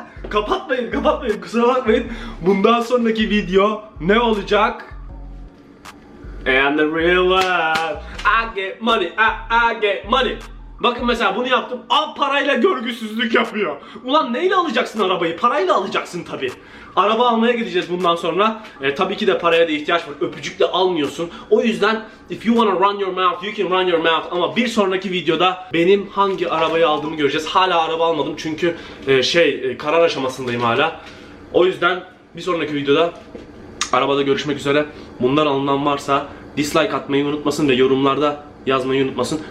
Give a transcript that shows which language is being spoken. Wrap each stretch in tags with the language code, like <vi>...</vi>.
<tr>kapatmayın, kusura bakmayın. Bundan sonraki video ne olacak?</tr> <en>And the real world. I get money.</en> <tr>Bakın mesela bunu yaptım. Al, parayla görgüsüzlük yapıyor. Ulan neyle alacaksın arabayı? Parayla alacaksın tabii. Araba almaya gideceğiz bundan sonra. Tabii ki de paraya da ihtiyaç var. Öpücükle almıyorsun. O yüzden</tr> <en>if you wanna run your mouth, you can run your mouth.</en> <tr>Ama bir sonraki videoda benim hangi arabayı aldığımı göreceğiz. Hala araba almadım çünkü karar aşamasındayım hala. O yüzden bir sonraki videoda arabada görüşmek üzere. Bundan alınan varsa dislike atmayı unutmasın ve yorumlarda yazmayı unutmasın.</tr>